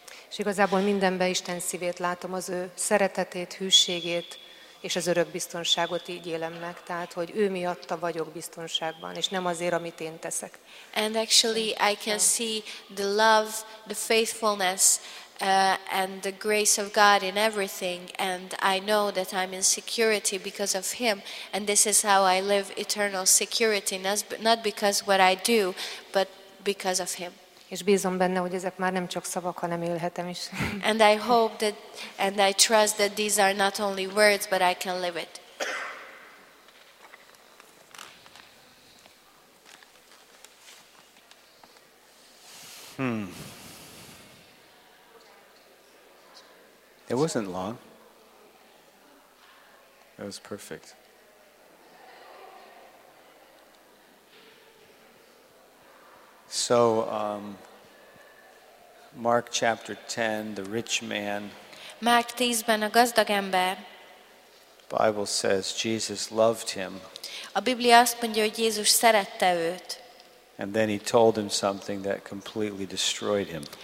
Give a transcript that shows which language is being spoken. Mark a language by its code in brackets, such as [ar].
[hu] És igazából mindenben Isten szívét látom, az ő szeretetét, hűségét és az örök biztonságot így élem meg, tehát hogy ő miatta vagyok biztonságban, és nem azért, amit én teszek. [en] And actually I can see the love, the faithfulness and the grace of God in everything, and I know that I'm in security because of him, and this is how I live eternal security, not because what I do, but because of him. [hu] És bízom benne, hogy ezek már nem csak szavak, hanem élhetem is. [en] And I hope that and I trust that these are not only words but I can live it. It wasn't long. It was perfect. So Mark chapter 10, the rich man. [hu] Márk 10-ben a gazdag ember. [en] Bible says Jesus loved him. [hu] A Biblia azt mondja, hogy Jézus szerette őt. [en] And then he told him something that completely destroyed him.